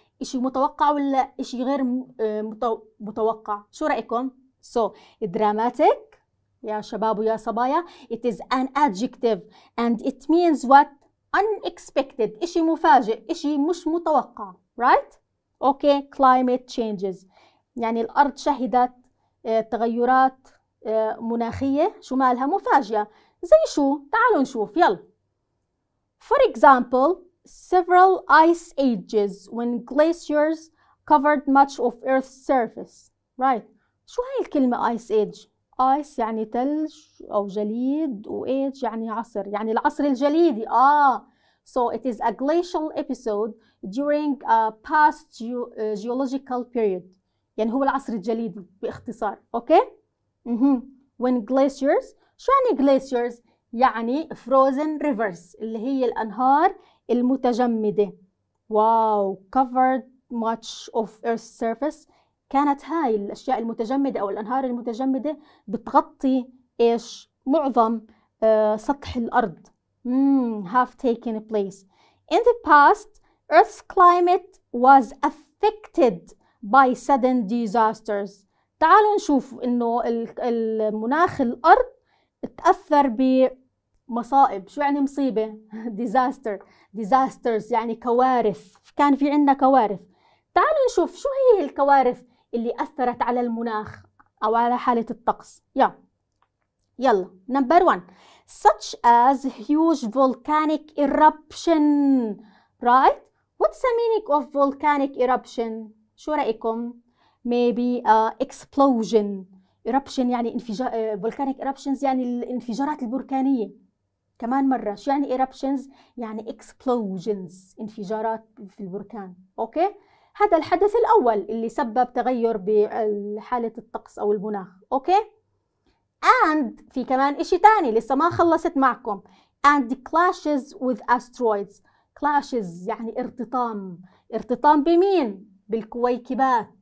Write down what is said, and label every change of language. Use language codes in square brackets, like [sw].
[ar] إشي متوقع ولا إشي غير متوقع؟ شو رأيكم؟ [en] So, dramatic, [ar] يا شباب ويا صبايا, [en] it is an adjective and it means what? [ar] Unexpected, إشي مفاجئ, إشي مش متوقع, right? [en] Okay, climate changes. [ar] يعني الأرض شهدت تغيرات مناخية, شو مالها مفاجئة. زي شو؟ تعالوا نشوف, يلا. [en] For example, several ice ages when glaciers covered much of Earth's surface. Right. [ar] شو هاي الكلمة ice age؟ Ice يعني تلج أو جليد و age يعني عصر. يعني العصر الجليدي. [en] So it is a glacial episode during a past geological period. [ar] يعني هو العصر الجليدي باختصار. [en] Okay. When glaciers. [ar] شو يعني glaciers؟ يعني [en] frozen rivers [ar] اللي هي الأنهار المتجمدة. واو. [en] Covered much of Earth's surface. [ar] كانت هاي الأشياء المتجمدة أو الأنهار المتجمدة بتغطي إيش؟ معظم سطح الأرض. [en] Have taken place. In the past, Earth's climate was affected by sudden disasters. [ar] تعالوا نشوف إنه المناخ الأرض تأثر ب مصائب. شو يعني مصيبة؟ disaster. Disasters يعني كوارث. كان في عندنا كوارث. تعالوا نشوف شو هي الكوارث اللي أثرت على المناخ أو على حالة الطقس. [en] Yeah. يلا. Number one. Such as huge volcanic eruption. Right? What's the meaning of volcanic eruption? [ar] شو رأيكم؟ [en] Maybe explosion. [ar] Eruption يعني انفجار. Volcanic eruptions يعني الانفجارات البركانية. كمان مرة شو يعني eruptions؟ يعني explosions، انفجارات في البركان. اوكي، هذا الحدث الأول اللي سبب تغير بحالة الطقس أو المناخ. اوكي، and في كمان إشي تاني لسه ما خلصت معكم. [en] And clashes with asteroids. [ar] Clashes يعني ارتطام. ارتطام بمين؟ بالكويكبات.